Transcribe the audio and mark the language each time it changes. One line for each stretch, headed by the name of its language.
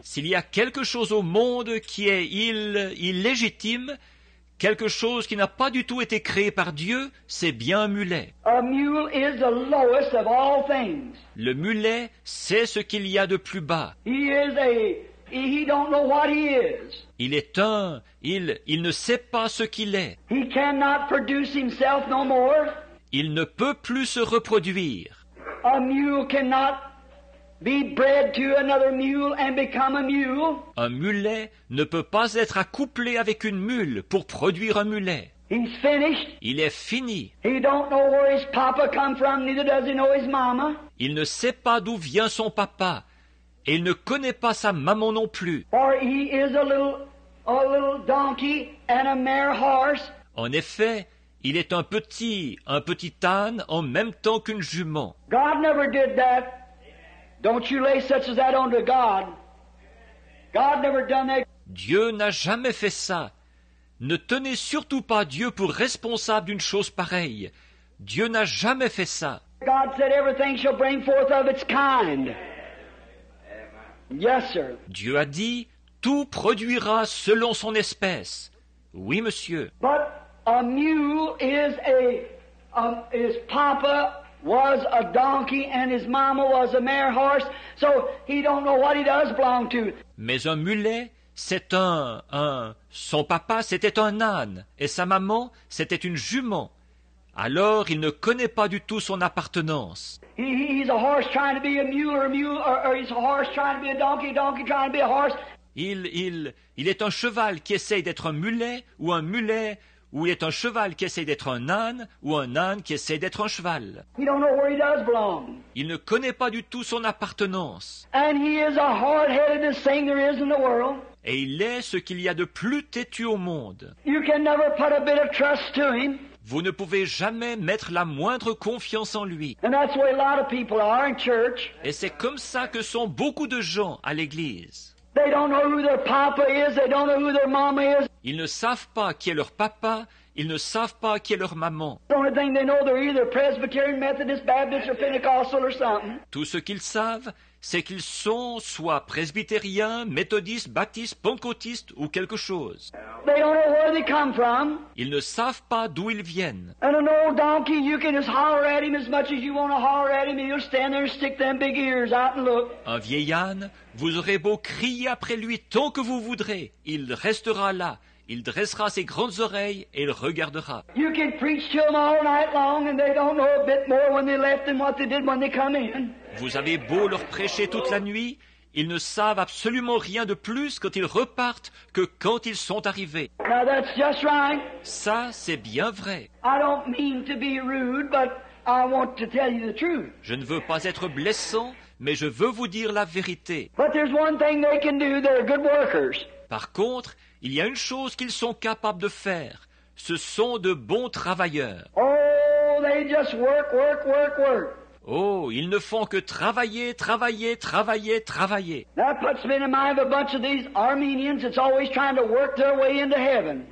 French: S'il y a quelque chose au monde qui est illégitime, quelque chose qui n'a pas du tout été créé par Dieu, c'est bien un mulet.
English: A mule is the lowest of all things.
French: Le mulet, c'est ce qu'il y a de plus bas.
English: He don't know what he is.
French: Il est un, il ne sait pas ce qu'il est.
English: He cannot produce himself no more.
French: Il ne peut plus se reproduire.
English: A mule cannot be bred to another mule and become a mule.
French: Un mulet ne peut pas être accouplé avec une mule pour produire un mulet.
English: He's finished.
French: Il est fini.
English: He don't know where his papa come from, neither does he know his mama.
French: Il ne sait pas d'où vient son papa et il ne connaît pas sa maman non plus.
English: For he is a little donkey and a mare horse.
French: En effet, il est un petit âne en même temps qu'une jument.
English: God never did that. Don't you lay such as that onto God. God never done that.
French: Dieu n'a jamais fait ça. Ne tenez surtout pas Dieu pour responsable d'une chose pareille. Dieu n'a jamais fait ça.
English: God said everything shall bring forth of its kind. Yes, sir.
French: Dieu a dit, tout produira selon son espèce. Oui, monsieur.
English: But a mule is a, his papa was a donkey and his mama was a mare horse, so he don't know what he does belong to.
French: Mais un mulet, c'est son papa c'était un âne et sa maman c'était une jument. Alors il ne connaît pas du tout son appartenance.
English: He's a horse trying to be a mule or a mule or he's a horse trying to be a donkey trying to be a horse.
French: Il est un cheval qui essaye d'être un mulet ou un mulet ou il est un cheval qui essaye d'être un âne ou un âne qui essaye d'être un cheval.
English: He don't know where he does belong.
French: Il ne connaît pas du tout son appartenance.
English: And he is the hard-headedest thing there is in the world.
French: Et il est ce qu'il y a de plus têtu au monde.
English: You can never put a bit of trust to him.
French: Vous ne pouvez jamais mettre la moindre confiance en lui.
English: And that's where a lot of people are in church.
French: Et c'est comme ça que sont beaucoup de gens à l'église.
English: They don't know who their papa is. They don't know who their mama is.
French: Ils ne savent pas qui est leur papa. Ils ne savent pas qui est leur maman.
English: The only thing they know, they're either Presbyterian, Methodist, Baptist, or Pentecostal, or something.
French: Tout ce qu'ils savent, c'est qu'ils sont soit presbytériens, méthodistes, baptistes, pentecôtistes ou quelque chose.
English: They don't know where they come from.
French: Ils ne savent pas d'où ils viennent.
English: And an old donkey, you can just holler at him as much as you want to holler at him, and you'll stand there and stick them big ears out and look.
French: Un vieil âne, vous aurez beau crier après lui tant que vous voudrez, il restera là. Il dressera ses grandes oreilles et il regardera.
English: You can preach to them all night long and they don't know a bit more when they left than what they did when they come in.
French: Vous avez beau leur prêcher toute la nuit, ils ne savent absolument rien de plus quand ils repartent que quand ils sont arrivés.
English: Now that's just right.
French: Ça, c'est bien vrai.
English: I don't mean to be rude, but I want to tell you the truth.
French: Je ne veux pas être blessant, mais je veux vous dire la vérité.
English: But there's one thing they can do, they're good workers.
French: Par contre, il y a une chose qu'ils sont capables de faire. Ce sont de bons travailleurs.
English: Oh, they just work, work, work, work.
French: Oh, ils ne font que travailler, travailler, travailler, travailler.
English: That puts me in mind of a bunch of these Armenians that's always trying to work their way into heaven.